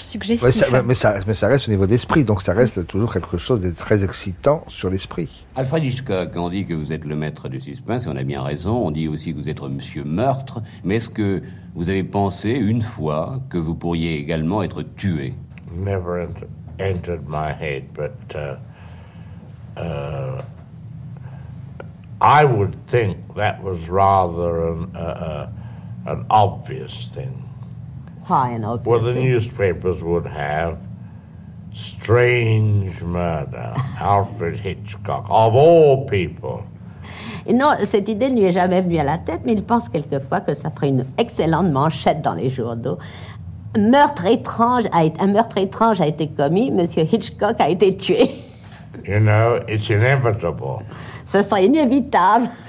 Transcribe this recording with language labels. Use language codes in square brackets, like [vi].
[fr] Mais ça reste au niveau d'esprit, donc ça reste toujours quelque chose de très excitant sur l'esprit. Alfred Hitchcock, on dit que vous êtes le maître du suspense, et on a bien raison, on dit aussi que vous êtes monsieur meurtre, mais est-ce que vous avez pensé une fois que vous pourriez également être tué ? [en] Never entered my head, but I would think that was rather an obvious thing. Well, the newspapers would have strange murder, Alfred Hitchcock, of all people. [fr] Et non, cette idée ne lui est jamais venue à la tête, mais il pense quelquefois que ça ferait une excellente manchette dans les journaux. Un meurtre étrange a été commis, Monsieur Hitchcock a été tué. [en] You know, it's inevitable. [fr] Ce serait inévitable.